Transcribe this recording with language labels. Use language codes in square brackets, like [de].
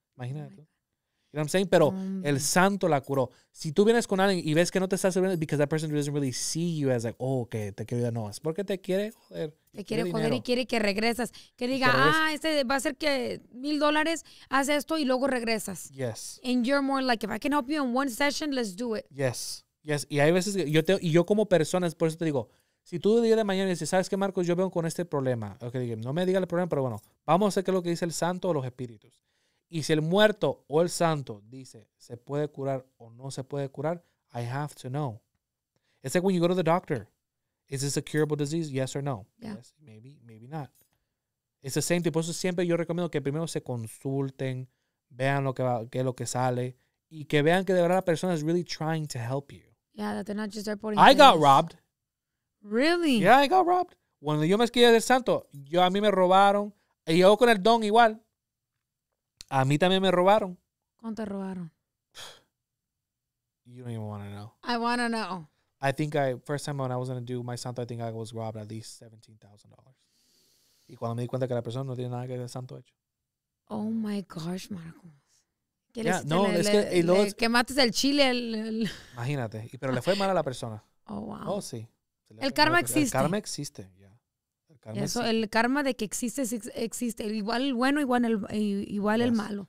[es] Imagínate. [en] You know what I'm saying? [es] Pero el santo la curó. Si tú vienes con alguien y ves que no te está sirviendo, [en] because that person doesn't really see you as like, oh, [es] que okay, te quiero. No, es porque te quiere joder. Te quiere joder y quiere que regresas. Que diga, este va a ser que $1,000, haz esto y luego regresas. [en] Yes. And you're more like, if I can help you in one session, let's do it. Yes. Yes. [es] Y hay veces que yo como persona, por eso te digo, si tú el día de mañana dices, ¿sabes qué, Marcos? Yo vengo con este problema. Okay, no me diga el problema, pero bueno, vamos a ver qué es lo que dice el santo o los espíritus. Y si el muerto o el santo dice, ¿se puede curar o no se puede curar? [en] I have to know. It's like when you go to the doctor. Is this a curable disease? Yes or no. Yeah. Yes, maybe, maybe not. It's the same thing. [es] Por eso siempre yo recomiendo que primero se consulten, vean qué es lo que sale, y que vean que de verdad la persona [en] is really trying to help you. Yeah, that they're not just reporting. I got robbed. Really? Yeah, I got robbed. [es] Cuando yo me quedé del santo, a mí me robaron. Y yo con el don igual. A mí también me robaron. ¿Cómo te robaron? [en] You don't even want to know. I want to know. I think I, first time when I was going to do my santo, I think I was robbed at least $17,000. [es] Y cuando me di cuenta que la persona no tiene nada que ver el santo hecho. [en] Oh my gosh, Marcos. [es] ¿Qué yeah, no, le, es que, y luego, le quemates el chile. Imagínate. Pero le fue mal a la persona. [en] Oh, wow. [es] Oh, sí. El karma existe. El karma existe, ya. Yeah. Eso, existe. El karma de que existe, existe. Igual el bueno, igual yes. El malo.